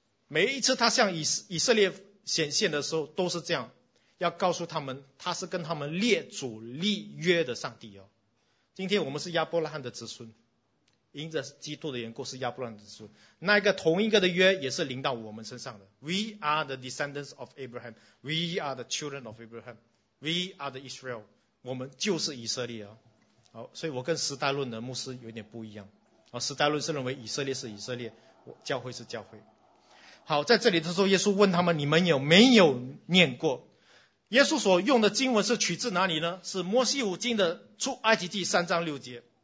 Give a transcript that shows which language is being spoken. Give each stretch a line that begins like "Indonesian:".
Chinese: 每一次他向以色列显现的时候都是这样，要告诉他们他是跟他们列祖立约的上帝哦。今天我们是亚伯拉罕的子孙，因着基督的缘故是亚伯拉罕的子孙，那个同一个的约也是临到我们身上的。
English: We are the descendants of Abraham, We are the children of Abraham, We are the Israel,
Chinese: 我们就是以色列哦。好，所以我跟时代论的牧师有点不一样，时代论是认为以色列是以色列，教会是教会。好，在这里的时候耶稣问他们，你们有没有念过？耶稣所用的经文是取自哪里呢？是摩西五经的出埃及记3章6节。